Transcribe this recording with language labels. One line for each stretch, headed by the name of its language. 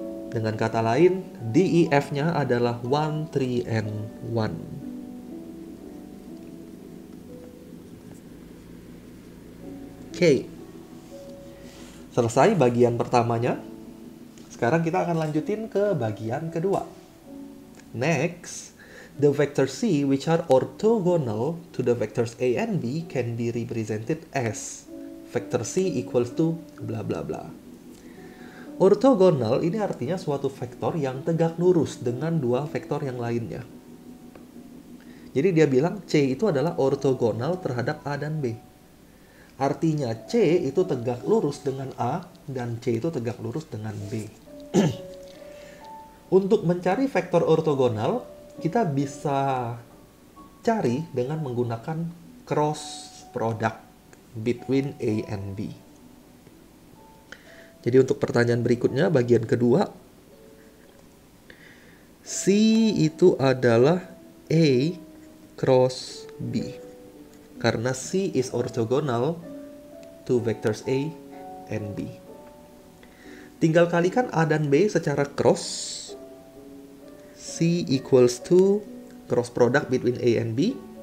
Indonesian: Dengan kata lain, DEF-nya adalah 1, 3, and 1. Oke. Selesai bagian pertamanya. Sekarang kita akan lanjutin ke bagian kedua.
English: Next, the vector C which are orthogonal to the vectors A and B can be represented as vector C equals to bla bla bla.
Indonesian: Orthogonal ini artinya suatu vektor yang tegak lurus dengan dua vektor yang lainnya. Jadi dia bilang C itu adalah orthogonal terhadap A dan B. Artinya C itu tegak lurus dengan A dan C itu tegak lurus dengan B. Untuk mencari vektor ortogonal, kita bisa cari dengan menggunakan cross product
English: between A and B.
Indonesian: Jadi untuk pertanyaan berikutnya, bagian kedua, C itu adalah A cross B.
English: Karena C is orthogonal to vectors A and B.
Indonesian: Tinggal kalikan A dan B secara cross.
English: C equals to cross product between A and B.